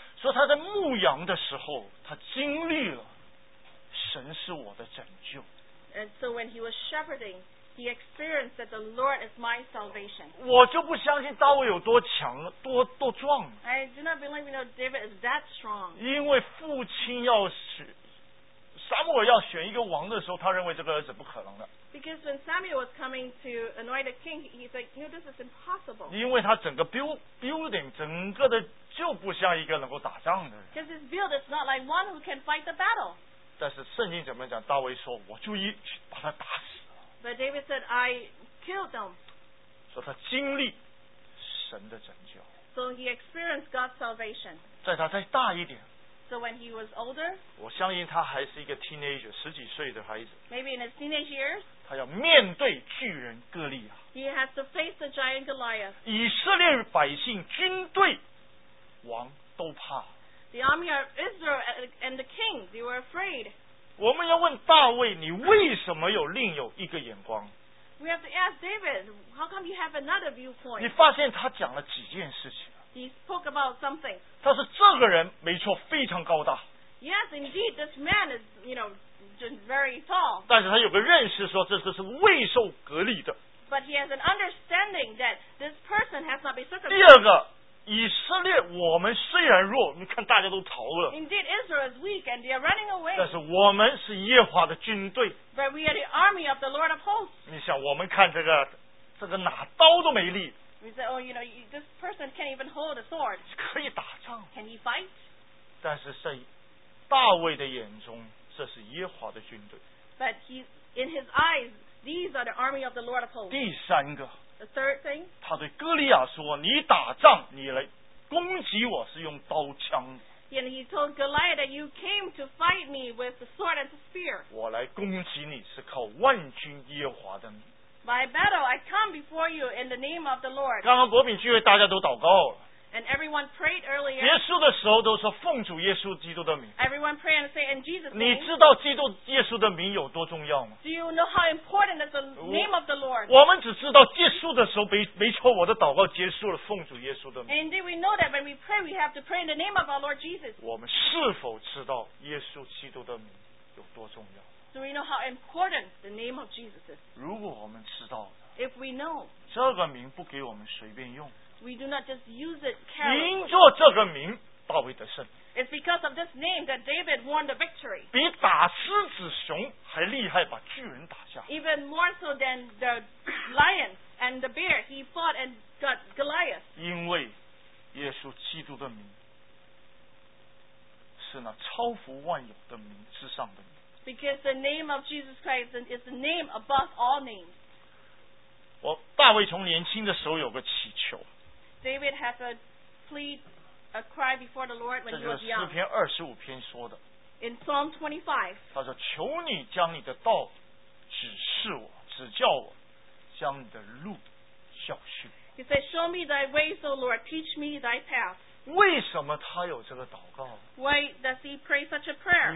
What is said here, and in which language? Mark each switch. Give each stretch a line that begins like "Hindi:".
Chinese: 说他在牧羊的时候，他经历了神是我的拯救。
English: And so when he was shepherding, he experienced that the Lord is my salvation.
Chinese: 我就不相信大卫有多强，多壮。
English: I do not believe you know David is that strong.
Chinese: 因为父亲要选，撒母耳要选一个王的时候，他认为这个儿子不可能的。
English: Because when Samuel was coming to anoint a king, he's like, you know, this is impossible.
Chinese: 因为他整个 building 整个的就不像一个能够打仗的人。
English: Because his build is not like one who can fight the battle.
Chinese: 但是圣经怎么讲？大卫说，我就一去把他打死。
English: But David said, I killed them.
Chinese: 说他经历神的拯救。
English: So he experienced God's salvation.
Chinese: 在他再大一点。
English: So when he was older.
Chinese: 我相信他还是一个 teenager, 十几岁的孩子。
English: Maybe in his teenage years.
Chinese: 他要面对巨人哥利亚。
English: He has to face the giant Goliath.
Chinese: 以色列百姓军队王都怕。
English: The army of Israel and the king, they were afraid.
Chinese: 我们要问大卫，你为什么有另有一个眼光？
English: We have to ask David, how come you have another viewpoint?
Chinese: 你发现他讲了几件事情。
English: He spoke about something.
Chinese: 他说这个人没错，非常高大。
English: Yes, indeed, this man is, you know, very tall.
Chinese: 但是他有个认识说这个是未受隔离的。
English: But he has an understanding that this person has not been circumcised.
Chinese: 第二个。以色列我们虽然弱你看大家都逃了
English: Indeed, Israel is weak and they are running away.
Chinese: 但是我们是耶和华的军队
English: But we are the army of the Lord of hosts.
Chinese: 你想我们看这个拿刀都没力
English: We say, oh, you know, this person can't even hold a sword.
Chinese: 可以打仗
English: Can he fight?
Chinese: 但是在大卫的眼中这是耶和华的军队
English: But he, in his eyes, these are the army of the Lord of hosts.
Chinese: 第三个
English: The third thing,
Chinese: 他对哥利亚说：“你打仗，你来攻击我是用刀枪。”
English: And he told Goliath that you came to fight me with the sword and the spear.
Chinese: 我来攻击你是靠万军耶和华的。
English: By battle, I come before you in the name of the Lord.
Chinese: 刚刚国饼聚会大家都祷告了。
English: And everyone prayed earlier.
Chinese: 结束的时候都说奉主耶稣基督的名。
English: Everyone prayed and said in Jesus' name.
Chinese: 你知道基督耶稣的名有多重要吗
English: ？Do you know how important is the name of the Lord?
Chinese: 我们只知道结束的时候没错，我的祷告结束了，奉主耶稣的名。
English: Indeed, we know that when we pray, we have to pray in the name of our Lord Jesus.
Chinese: 我们是否知道耶稣基督的名有多重要
English: ？Do we know how important the name of Jesus is?
Chinese: 如果我们知道
English: ，If we know，
Chinese: 这个名不给我们随便用。
English: We do not just use it carelessly.
Chinese: 因着这个名，大卫得胜。
English: It's because of this name that David won the victory.
Chinese: 比打狮子熊还厉害，把巨人打下。
English: Even more so than the lion and the bear, he fought and got Goliath.
Chinese: 因为耶稣基督的名是那超乎万有的名之上的名。
English: Because the name of Jesus Christ is the name above all names.
Chinese: 我大卫从年轻的时候有个祈求。
English: David had a cry before the Lord when he was young.
Chinese: 这是诗篇二十五篇说的。
English: In Psalm 25.
Chinese: 他说：“求你将你的道指示我，指教我，将你的路教训。
English: He said, "Show me thy ways, O Lord. Teach me thy path."
Chinese: 为什么他有这个祷告
English: ？Why does he pray such a prayer?